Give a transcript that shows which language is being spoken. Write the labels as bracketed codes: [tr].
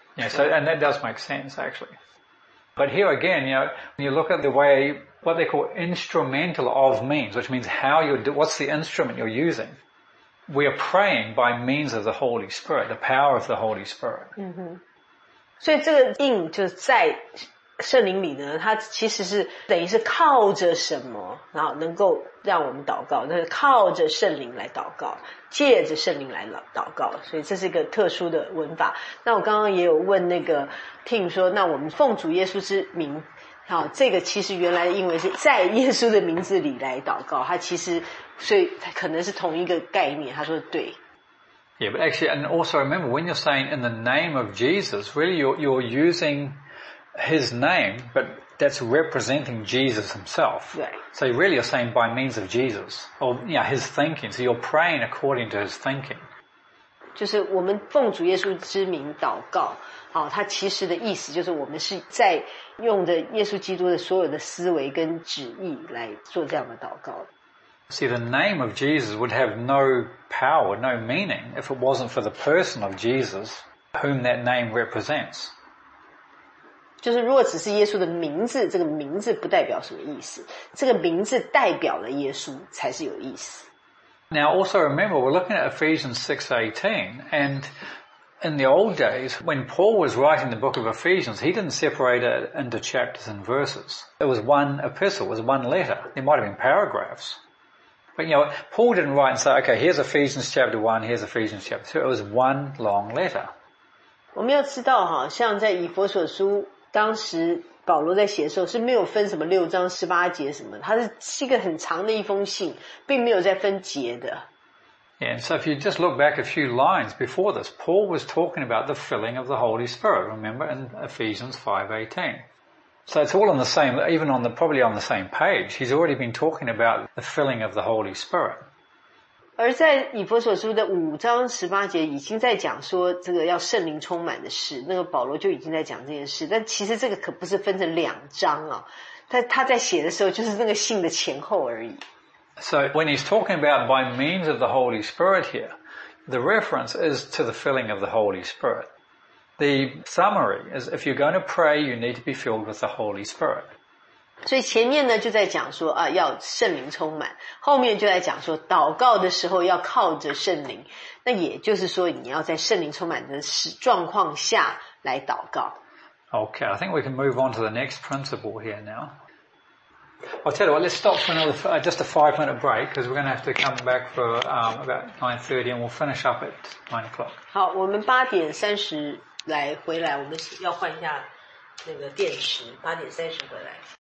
[en] Yeah, so, and that does make sense, actually. But here again, when you look at the way, what they call instrumental of means, which means what's the instrument you're using? We are praying by means of the Holy Spirit, the power of the Holy Spirit. Mm-hmm. [zh] 圣灵里呢，它其实是等于是靠着什么，然后能够让我们祷告，那是靠着圣灵来祷告，借着圣灵来祷告，所以这是一个特殊的文法。那我刚刚也有问那个Tim说，那我们奉主耶稣之名，这个其实原来因为是在耶稣的名字里来祷告，它其实所以可能是同一个概念。他说对。 [en] Yeah, but actually, and also remember, when you're saying in the name of Jesus, really you're using his name, but that's representing Jesus himself. Right. So really you're saying by means of Jesus, or yeah, his thinking. So you're praying according to his thinking. [zh] 就是我们奉主耶稣之名祷告，好，它其实的意思就是我们是在用着耶稣基督的所有的思维跟旨意来做这样的祷告。 [en] See, the name of Jesus would have no power, no meaning, if it wasn't for the person of Jesus whom that name represents. [zh] 就是如果只是耶稣的名字，这个名字不代表什么意思，这个名字代表了耶稣才是有意思。 [en] Now, also remember, we're looking at Ephesians 6:18, and in the old days, when Paul was writing the book of Ephesians, he didn't separate it into chapters and verses. It was one epistle, it was one letter. There might have been paragraphs. But, you know, Paul didn't write and say, okay, here's Ephesians chapter 1, here's Ephesians chapter 2. It was one long letter. [zh] 我们要知道哈，像在以弗所书，当时保罗在写的时候是没有分什么六章十八节什么，它是一个很长的一封信，并没有在分节的。 [en] Yeah, and so if you just look back a few lines before this, Paul was talking about the filling of the Holy Spirit, remember, in Ephesians 5:18. So it's all on the same, even on the, probably on the same page. He's already been talking about the filling of the Holy Spirit. [zh] 而在以弗所书的五章十八节已经在讲说这个要圣灵充满的事，那个保罗就已经在讲这件事，但其实这个可不是分成两章啊，他在写的时候就是那个信的前后而已。 [en] So when he's talking about by means of the Holy Spirit here, the reference is to the filling of the Holy Spirit. The summary is if you're going to pray, you need to be filled with the Holy Spirit. [zh] 所以前面呢就在讲说啊要圣灵充满，后面就在讲说祷告的时候要靠着圣灵，那也就是说你要在圣灵充满的状况下来祷告。 [en] Okay, I think we can move on to the next principle here now. I'll tell you what, let's stop for another, just a 5 minute break, because we're going to have to come back for about 9:30 and we'll finish up at 9 o'clock. [zh] 好，我们8点30来回来，我们要换一下那个电池，8点30回来。